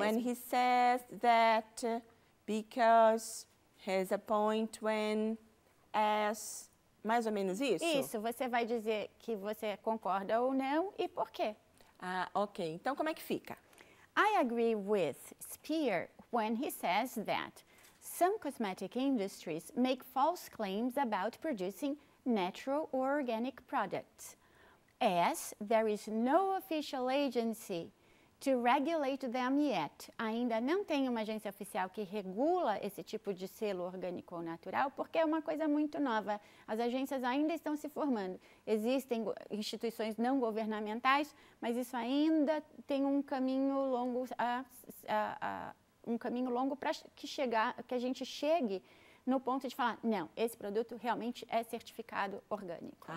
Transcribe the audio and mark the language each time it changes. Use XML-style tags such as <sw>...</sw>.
<en>When he says that, because, has a point when, as,</en> <pt>mais ou menos isso? Isso, você vai dizer que você concorda ou não e por quê. Ah, ok, então como é que fica?</pt> <en>I agree with Spear when he says that some cosmetic industries make false claims about producing natural or organic products. As there is no official agency to regulate them yet.</en> <pt>Ainda não tem uma agência oficial que regula esse tipo de selo orgânico ou natural, porque é uma coisa muito nova. As agências ainda estão se formando. Existem instituições não governamentais, mas isso ainda tem um caminho longo para que a gente chegue no ponto de falar, não, esse produto realmente é certificado orgânico.</pt>